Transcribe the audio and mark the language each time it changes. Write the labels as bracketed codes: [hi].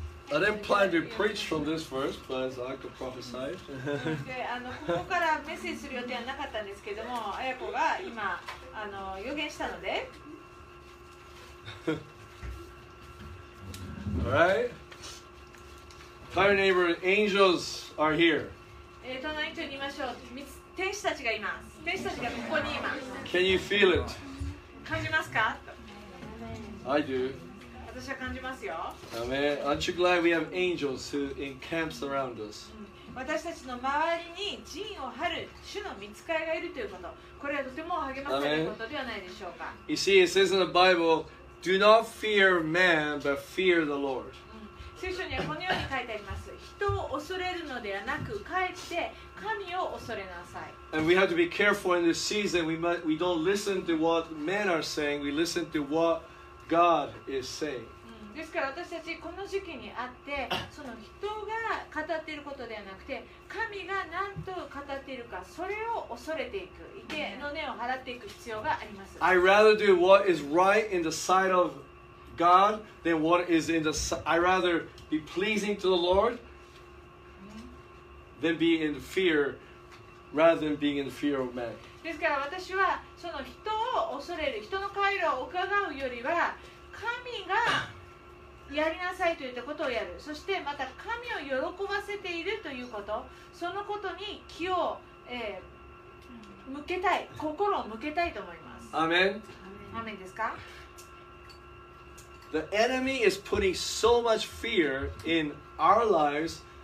[en] I didn't plan to preach from this verse, but as Aiko prophesied. [ja] で、ここからメッセージする予定はなかったんですけども、彩子が今予言したので。 [en] All right. Tell your neighbor, angels are here. [ja] 隣に言いましょう。天使たちがいます。天使たちがここにいます。 [en] Can you feel it? [ja] 感じますか? [en] I do. [ja] 私は感じますよ。 [en] Amen. Aren't you glad we have angels who encamps around us? [ja] 私たちの周りに陣を張る主の御使いがいるということ。これはとても励ましされることではないでしょうか。 [en] You see, it says in the Bible,Do not fear man, but fear the Lord. [ja] 聖書にはこのように書いてあります。人を恐れるのではなく、かえって神を恐れなさい。 [en] And we have to be careful in this season. We don't listen to what men are saying. We listen to what God is saying. [ja] ですから私たちこの時期にあって、その人が語っていることではなくて、神が何と語っているか、それを恐れていく、意見の根を払っていく必要があります。 [en] I'd rather do what is right in the sight of God than what is in the sight. I'd rather be pleasing to the Lord than be in fear, rather than being in fear of men. [ja] ですから私はその人を恐れる、人の顔色を伺うよりは、神がやりなさいと言ったことをやる、そしてまた神を喜ばせているということ、そのことに気を、向けたい、心を向けたいと思います。アメン。アメンですか。 [en] The enemy is putting so much fear in our lives.